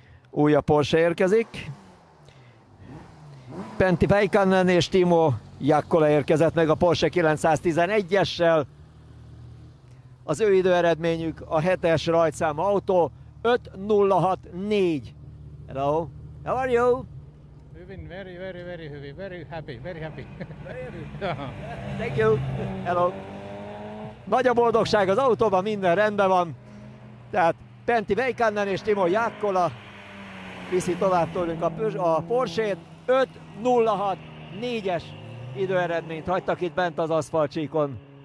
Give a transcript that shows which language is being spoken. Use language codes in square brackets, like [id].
[hu] Újabb Porsche érkezik. Pentti Väikkönen és Timo Jakkola érkezett meg a Porsche 911-essel. Az ő idő eredményük a 7-es rajtszáma autó 5064. [en] Hello, how are you? We've been very, very, very happy, very happy. Very happy. Thank you. Hello. [hu] Nagy a boldogság az autóban, minden rendben van. Tehát Pentti Väikkönen és Timo Jakkola viszi tovább tőlünk a Porsche-t. 5.06.4-es időeredményt hagytak itt bent az aszfaltcsíkon.